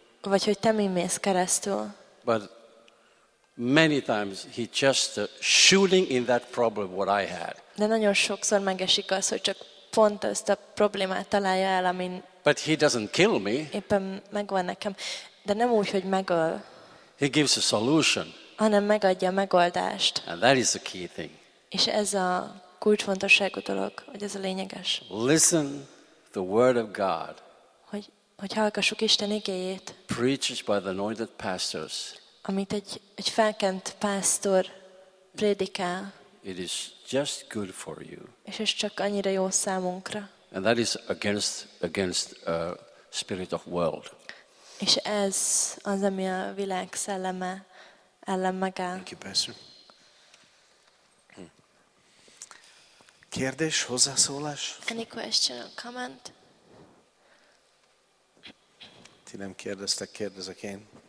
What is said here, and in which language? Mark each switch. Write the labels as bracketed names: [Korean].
[Hungarian] Vagy hogy te mi mész keresztül. [English] But many times he just shooting in that problem what I had. [Hungarian] De nagyon sokszor megesik az, hogy csak pont ezt a problémát találja el, amin. [English] But he doesn't kill me. [Hungarian] Éppen megvan nekem, de nem úgy, hogy megöl. [English] He gives a solution. [Hungarian] Hanem megadja a megoldást. [English] And that is the key thing. [Hungarian] És ez a kulcsfontosságú dolog, hogy ez a lényeges. [English] Listen to the word of God. [Hungarian] Hogy hallgassuk Isten igéjét. [English] Preached by the anointed pastors. [Hungarian] Amit egy felkent pásztor prédikál. [English] It is just good for you. [Hungarian] És ez csak annyira jó számunkra. [English] And that is against a spirit of world. [Hungarian] És ez az, ami a világ szelleme ellen megáll. [English] Thank you, Pastor. [Hungarian] Kérdés, hozzászólás? [English] Any question or comment? [Hungarian] Ti nem kérdeztek, kérdezek én.